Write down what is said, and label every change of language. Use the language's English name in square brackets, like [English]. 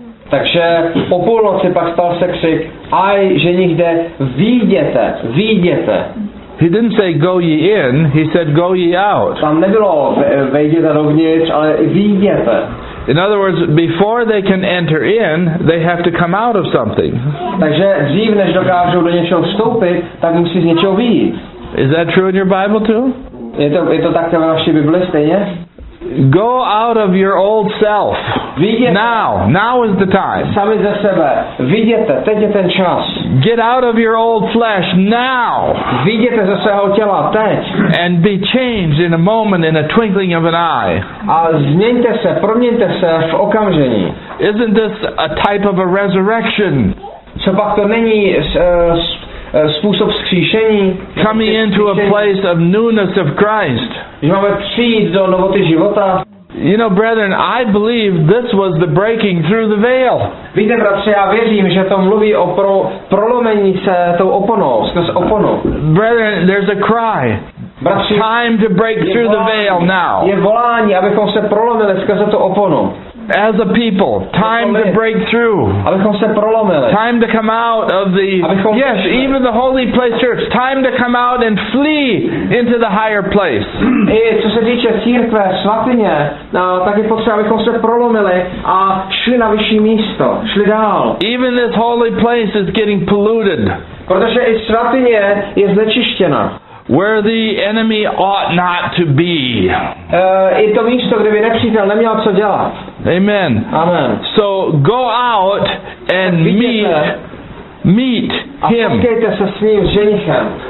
[Czech] Takže po půlnoci pak stal se křik, aj ženich jde, vyjděte. [English] He didn't say go ye in, he said go ye out. [Czech] Tam nebylo vejděte dovnitř, ale vyjděte. [English] In other words, before they can enter in, they have to come out of something. [Czech] Takže dřív, než dokážou do něčeho vstoupit, tak musí z něčeho vyjít. [English] Is that true in your Bible too? [Czech] Je to tak ve vaší Biblii stejně? [English] Go out of your old self. [Czech] Vyjděte. [English] Now is the time. [Czech] Sami ze sebe. Vyjděte. Teď je ten čas. [English] Get out of your old flesh now. [Czech] Vyjděte ze svého těla teď. [English] And be changed in a moment, in a twinkling of an eye. [Czech] A změňte se, proměňte se v okamžení. [English] Isn't this a type of a resurrection? [Czech] Copak to není způsob vzkříšení? [English] Coming into a place of newness of Christ. [Czech] Že máme přijít do novoty života. [English] You know, brethren, I believe this was the breaking through the veil. [Czech] Víte, bratře, já věřím, že to mluví o prolomení se tou oponou, skrz oponu. [English] Brethren, there's a cry. [Czech] Bratři, [English] time to break through [Czech] volání, [English] the veil now. [Czech] Je volání, abychom se prolomili skrz tu oponu. [English] as a people. Time to break through. [Czech] Abychom se prolomili. [English] Time to come out of the... [Czech] Abychom [English] yes, [Czech] vyšli. [English] Even the holy place church. Time to come out and flee into the higher place. [Czech] I co se týče církve, svatyně, tak je potřeba, abychom se prolomili a šli na vyšší místo. Šli dál. [English] Even this holy place is getting polluted. [Czech] Protože i svatyně je znečištěna. [English] Where the enemy ought not to be. [Czech] I to místo, kde by nepřítel neměl co dělat. [English] Amen. [Czech] Amen. [English] So go out and meet him. [Czech] Setkejte se s ním, s ženichem.